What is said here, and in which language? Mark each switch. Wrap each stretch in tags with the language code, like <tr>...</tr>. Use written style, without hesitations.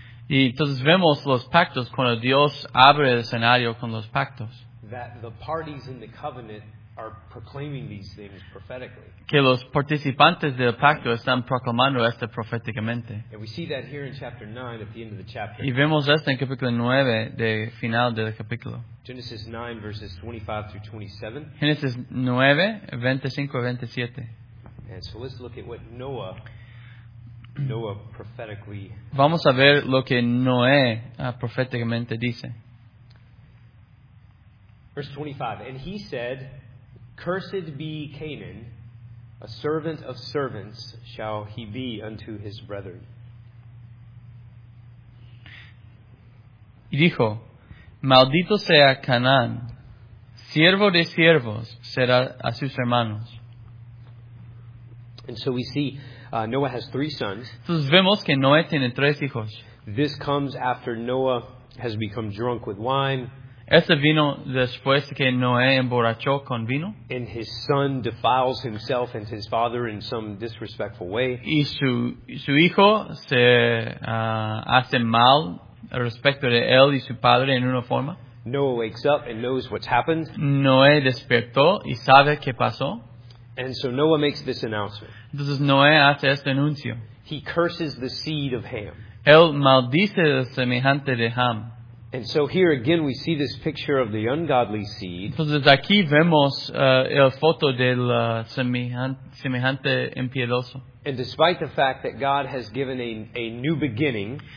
<es>Y entonces vemos los pactos cuando Dios abre el escenario con los pactos.</es> <en>That the parties in the covenant are proclaiming these things prophetically.</en> <es>Que los participantes del pacto están proclamando esto proféticamente.</es> <en>And we see that here in chapter 9 at the end of the chapter.</en> <es>Y vemos esto en capítulo 9 de final del capítulo.</es> <en>Genesis 9 verses 25 through 27.</en> <es>Genesis 9, 25 a 27.</es> <en>And so let's look at what Noah prophetically.</en> <es>Vamos a ver lo que Noé proféticamente dice.</es> <en>Verse 25, and he said, "Cursed be Canaan, a servant of servants shall he be unto his brethren."</en> <es>Y dijo, "Maldito sea Canaán, siervo de siervos será a sus hermanos."</es> <en>And so we see Noah has three sons.</en> <es>Entonces vemos que Noé tiene tres hijos.</es> <en>This comes after Noah has become drunk with wine.</en> <es>Este vino después que Noé emborrachó con vino.</es> <en>And his son defiles himself and his father in some disrespectful way.</en> <es>Y su hijo se hace mal respecto de él y su padre en una forma.</es> <en>Noah wakes up and knows what's happened.</en> <es>Noé despertó y sabe qué pasó.</es> <en>And so Noah makes this announcement.</en> <es>Entonces Noé hace este anuncio.</es> <en>He curses the seed of Ham.</en> <es>Él maldice el semejante de Ham.</es> <en>And so here again we see this picture of the ungodly seed.</en> <es>Entonces aquí vemos el foto del semejante impiedoso.</es> <en>And despite the fact that God has given a new beginning,</en>